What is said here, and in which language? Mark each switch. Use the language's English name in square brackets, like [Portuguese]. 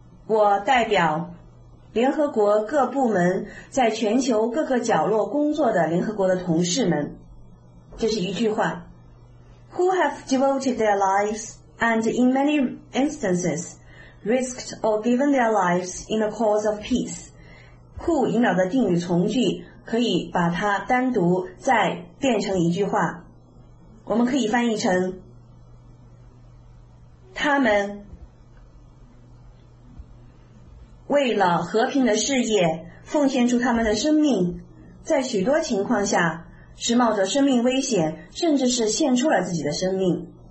[Chinese] 我代表联合国各部门在全球各个角落工作的联合国的同事们，这是一句话。 [English] Who have devoted their lives and in many instances risked or given their lives in the cause of peace. [Chinese] Who 引导的定语从句可以把它单独再变成一句话，我们可以翻译成他们为了和平的事业奉献出他们的生命，在许多情况下是冒着生命危险，甚至是献出了自己的生命。